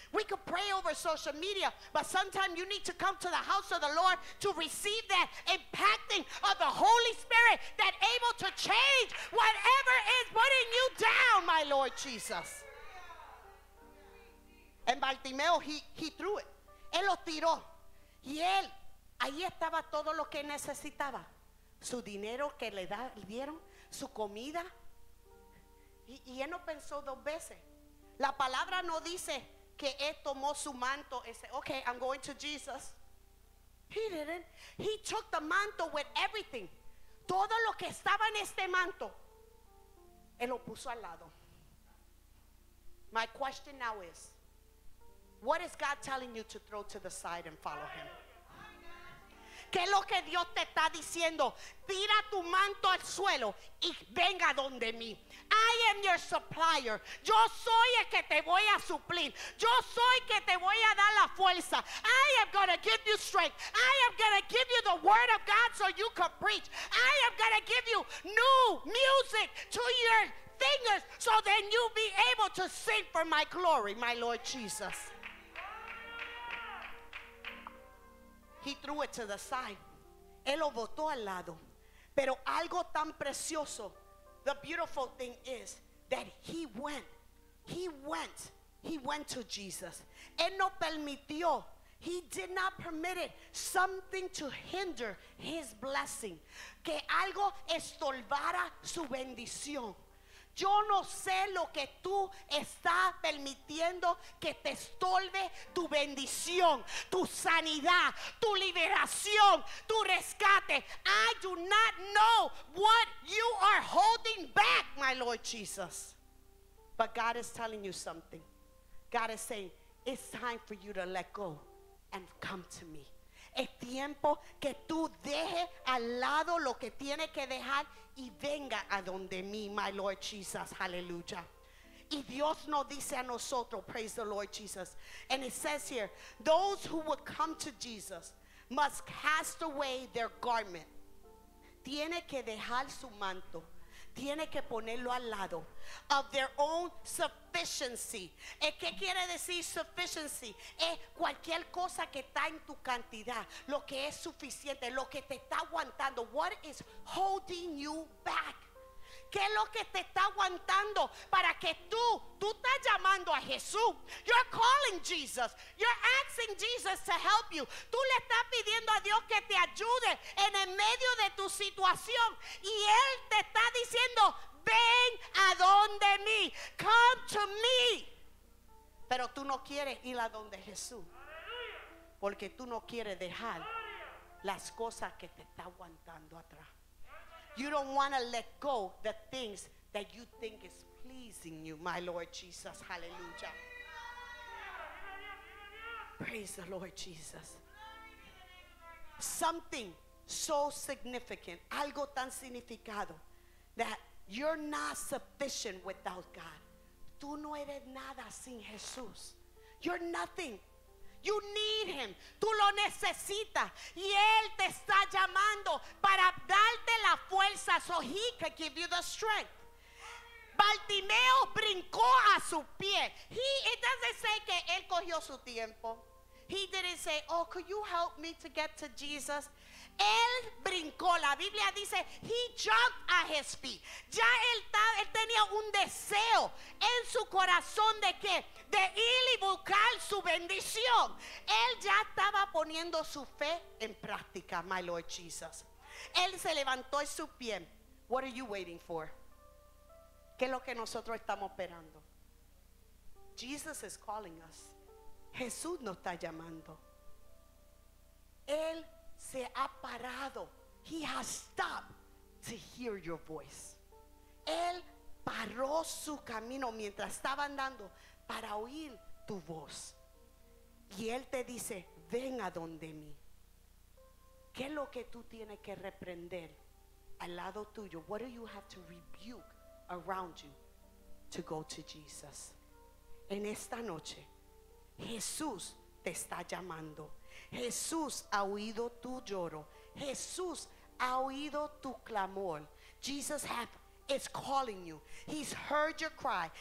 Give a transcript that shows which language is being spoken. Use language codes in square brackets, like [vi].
[en] We could pray over social media, but sometimes you need to come to the house of the Lord to receive that impacting of the Holy Spirit that able to change whatever is putting you down, my Lord Jesus. And Bartimeo, he threw it. [es] Él lo tiró. Y él, ahí estaba todo lo que necesitaba. Su dinero que le dieron, su comida. Y él no pensó dos veces. La palabra no dice que él tomó su manto. Y dice, [en] okay, I'm going to Jesus. He didn't. He took the manto with everything. [es] Todo lo que estaba en este manto, él lo puso al lado. [en] My question now is, what is God telling you to throw to the side and follow him? [es] ¿Qué es lo que Dios te está diciendo? Tira tu manto al suelo y venga donde mí. [en] I am your supplier. [es] Yo soy el que te voy a suplir. Yo soy el que te voy a dar la fuerza. [en] I am going to give you strength. I am going to give you the word of God so you can preach. I am going to give you new music to your fingers so then you'll be able to sing for my glory, my Lord Jesus. He threw it to the side. [es] Él lo botó al lado. Pero algo tan precioso. [en] The beautiful thing is that he went. He went. He went to Jesus. [es] Él no permitió. [en] He did not permit it. Something to hinder his blessing. [es] Que algo estorbara su bendición. Yo no sé lo que tú estás permitiendo que te estorbe tu bendición, tu sanidad, tu liberación, tu rescate. [en] I do not know what you are holding back, my Lord Jesus. But God is telling you something. God is saying, it's time for you to let go and come to me. [es] Es tiempo que tú dejes al lado lo que tiene que dejar y venga a donde mí, [en] my Lord Jesus, [es] hallelujah. Y Dios nos dice a nosotros, [en] praise the Lord Jesus. And it says here, those who would come to Jesus must cast away their garment. [es] Tiene que dejar su manto. Tiene que ponerlo al lado. [en] Of their own sufficiency. [es] ¿Qué quiere decir [en] sufficiency? [es] Es cualquier cosa que está en tu cantidad. Lo que es suficiente. Lo que te está aguantando. [en] What is holding you back? [es] ¿Qué es lo que te está aguantando para que tú estás llamando a Jesús? [en] You're calling Jesus. You're asking Jesus to help you. [es] Tú le estás pidiendo a Dios que te ayude en el medio de tu situación. Y Él te está diciendo, ven a donde mí. [en] Come to me. [es] Pero tú no quieres ir a donde Jesús. Porque tú no quieres dejar las cosas que te está aguantando atrás. [en] You don't want to let go the things that you think is pleasing you, my Lord Jesus. Hallelujah. Praise the Lord Jesus. Something so significant, [es] algo tan significado, [en] that you're not sufficient without God. [es] Tú no eres nada sin Jesús. [en] You're nothing. You need him. [es] Tú lo necesitas. Y Él te está llamando para darte la fuerza. [en] So he can give you the strength. Bartimeo [es] brincó a su pie. [en] It doesn't say [es] que él cogió su tiempo. [en] He didn't say, oh, could you help me to get to Jesus? [es] Él brincó. La Biblia dice, [en] he jumped at his feet. [es] Ya él tenía un deseo en su corazón de que de ir y buscar su bendición. Él ya estaba poniendo su fe en práctica, [en] my Lord Jesus. [es] Él se levantó en su pie. [en] What are you waiting for? [es] ¿Qué es lo que nosotros estamos esperando? [en] Jesus is calling us. [es] Jesús nos está llamando. Él se ha parado. [en] He has stopped to hear your voice. [es] Él paró su camino mientras estaba andando para oír tu voz. Y Él te dice, ven a donde mí. ¿Qué es lo que tú tienes que reprender al lado tuyo? [en] What do you have to rebuke around you to go to Jesus? [es] En esta noche, Jesús te está llamando. Jesús ha oído tu lloro. Jesús ha oído tu clamor. [en] Jesus is calling you. He's heard your cry.